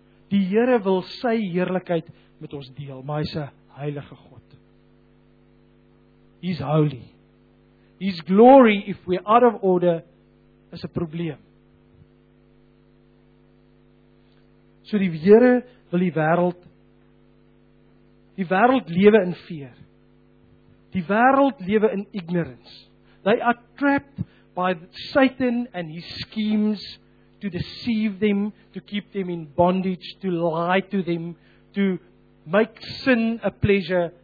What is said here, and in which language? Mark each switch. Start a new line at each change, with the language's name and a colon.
Afrikaans: Die Here wil sy heerlikheid met ons deel, maar hy is 'n heilige God.
English: He's holy. His glory, if we're out of order, is a probleem.
Afrikaans: So die Here wil die wêreld lewe in fear. Die wêreld lewe in ignorance.
English: They are trapped by Satan and his schemes to deceive them, to keep them in bondage, to lie to them, to make sin a pleasure.